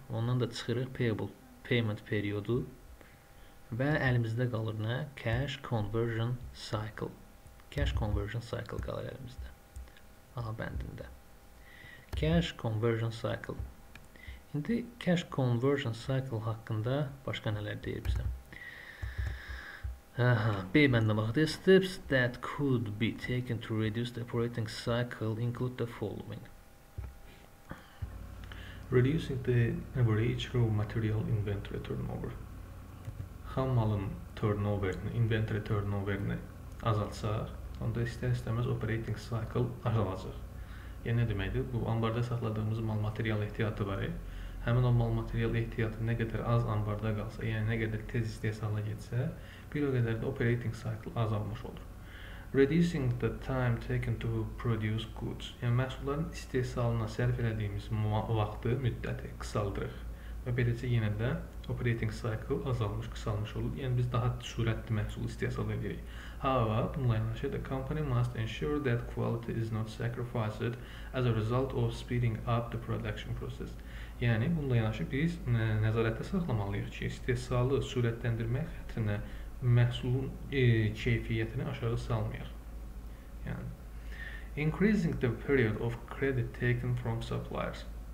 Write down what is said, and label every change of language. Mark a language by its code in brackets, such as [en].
[az] Ondan da çıxırıq payable payment periodu. Və əlimizdə qalır nə? [en] Cash conversion cycle. [az] Cash conversion cycle qalır əlimizdə. A bəndində. Cash conversion cycle. İndi cash conversion cycle haqqında başqa nələr deyir bizə? Aha, B məndə bax. [en] The steps that could be taken to reduce the operating cycle include the following. Reducing the average raw material inventory turnover. [az] Xam malın turnoverini, inventory turnoverini azaltsaq, onda istər-istəməz operating cycle azalacaq. Yəni nə deməkdir? Bu anbarda saxladığımız mal material ehtiyatı var. Həmin o mal material ehtiyatı nə qədər az anbarda qalsa, yəni nə qədər tez istehsala getsə, bir o qədər də operating cycle azalmış olur. [en] Reducing the time taken to produce goods. [az] Yəni məhsulların istehsalına sərf elədiyimiz vaxtı, müddəti qısaldırıq. Və beləcə yenə də operating cycle azalmış, qısalmış olur. Yəni biz daha sürətli məhsul istehsal edirik. [en] However, [az] bununla yanaşı, [en] the company must ensure that quality is not sacrificed as a result of speeding up the production process. [az] Yəni bununla yanaşı biz nəzarətdə saxlamalıyıq ki, istehsalı sürətləndirmək xətrinə məhsulun keyfiyyətini aşağı salmayaq. [en] Yəni increasing the period of credit taken from suppliers.